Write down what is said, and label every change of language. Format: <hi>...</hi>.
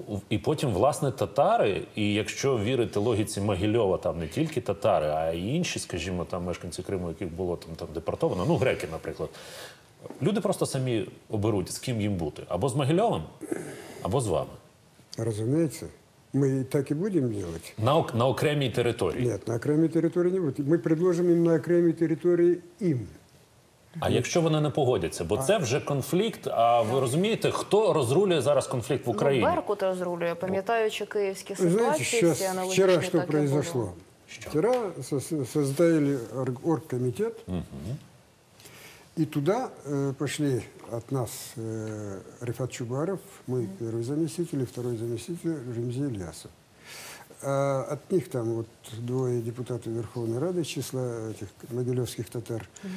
<uk>І потім, власне, татари, і якщо вірити логіці Могильова, там не тільки татари, а й інші, скажімо, там мешканці Криму, яких було там депортовано, ну, греки, наприклад, люди просто самі оберуть, з ким їм бути. Або з Могильовим, або з вами.</uk> <ru>Розумієте? Мы так и будем делать. На окремой территории? Нет, на окремой территории не будет. Мы предложим им на окремой территории им.</ru> <uk>А якщо вони не погодяться? Бо це вже конфлікт. А ви розумієте, хто розрулює зараз конфлікт в Україні? Ну, Беркут розрулює, пам'ятаючи київські ситуації.</uk> <ru>Знаете, сейчас, вчора що произошло?</ru> <uk>Що? Вчора создали оргкомітет.</uk> <ru>И туда пошли от нас Рифат Чубаров, мой первый заместитель, и второй заместитель Ремзи Ильясов. А от них там вот двое депутатов Верховной Рады, числа этих могилевских татар.</ru>